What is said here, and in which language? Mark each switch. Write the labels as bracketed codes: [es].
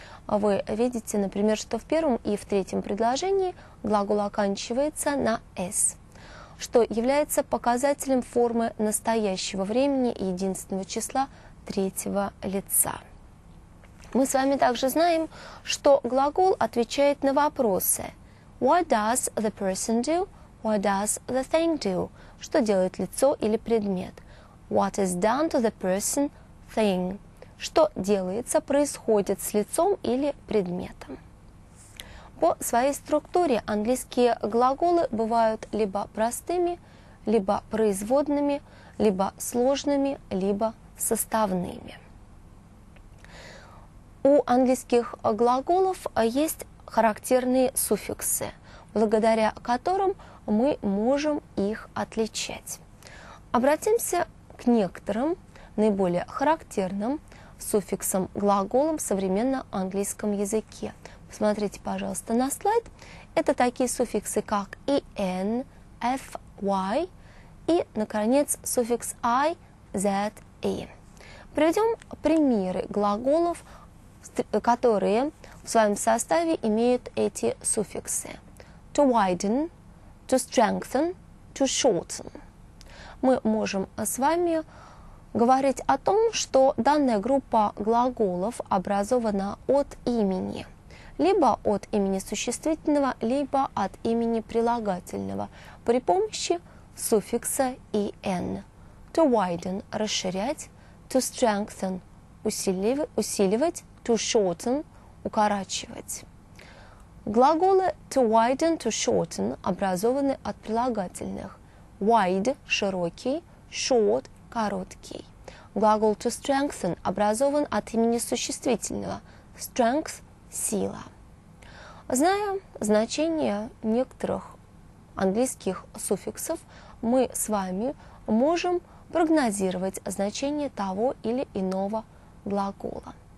[ru] Вы видите, например, что в первом и в третьем предложении глагол оканчивается на «s», что является показателем формы настоящего времени и единственного числа третьего лица. Мы с вами также знаем, что глагол отвечает на вопросы. [en] What does the person do? What does the thing do? [ru] Что делает лицо или предмет? [en] What is done to the person, thing? [ru] Что делается, происходит с лицом или предметом? По своей структуре английские глаголы бывают либо простыми, либо производными, либо сложными, либо составными. У английских глаголов есть характерные суффиксы, благодаря которым мы можем их отличать. Обратимся к некоторым наиболее характерным суффиксам глаголам в современном английском языке. Посмотрите, пожалуйста, на слайд. Это такие суффиксы, как en, fy и, наконец, суффикс i, z, e. Приведем примеры глаголов, которые в своем составе имеют эти суффиксы. [en] To widen, to strengthen, to shorten. [ru] Мы можем с вами говорить о том, что данная группа глаголов образована от имени. Либо от имени существительного, либо от имени прилагательного при помощи суффикса en. [en] To widen – расширять, to strengthen – усиливать, to shorten – укорачивать. [ru] Глаголы to widen, to shorten образованы от прилагательных. Wide – широкий, short – короткий. Глагол to strengthen образован от имени существительного. Strength – сила. Зная значение некоторых английских суффиксов, мы с вами можем прогнозировать значение того или иного глагола.